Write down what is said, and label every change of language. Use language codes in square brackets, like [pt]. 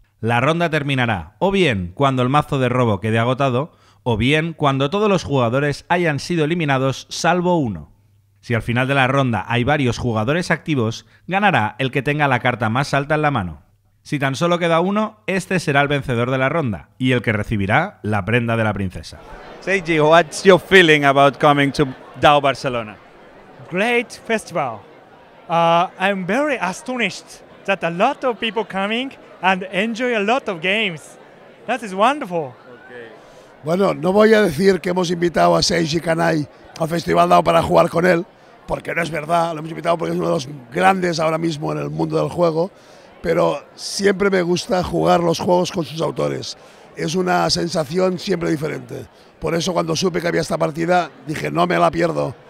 [es] La ronda terminará, o bien cuando el mazo de robo quede agotado, o bien cuando todos los jugadores hayan sido eliminados salvo uno. Si al final de la ronda hay varios jugadores activos, ganará el que tenga la carta más alta en la mano. Si tan solo queda uno, este será el vencedor de la ronda y el que recibirá la prenda de la princesa. [en] Seiji, what's your feeling about coming to DAO Barcelona? Great festival. I'm very astonished that a lot of people coming and enjoy a lot of games. That is wonderful. [es] Bueno, no voy a decir que hemos invitado a Seiji Kanai al Festival DAO para jugar con él, porque no es verdad, lo hemos invitado porque es uno de los grandes ahora mismo en el mundo del juego, pero siempre me gusta jugar los juegos con sus autores. Es una sensación siempre diferente. Por eso cuando supe que había esta partida, dije, no me la pierdo.